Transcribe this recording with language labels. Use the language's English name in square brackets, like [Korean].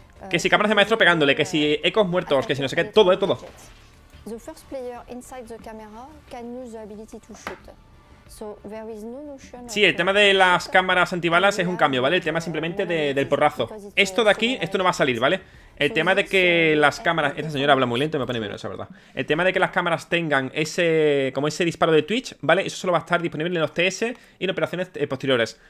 [Spanish] Que si cámaras de maestro pegándole, que si ecos muertos, que si no sé qué, todo, todo. [English] The first player inside the camera can use the ability to shoot. So there is no notion. [Spanish] Sí, el tema de las cámaras antibalas es un cambio, ¿vale? El tema simplemente del porrazo. Esto de aquí, esto no va a salir, ¿vale? El tema de que las cámaras. Esta señora habla muy lento, me pone menos, la verdad. El tema de que las cámaras tengan ese. Como ese disparo de Twitch, ¿vale? Eso solo va a estar disponible en los TS y en operaciones posteriores.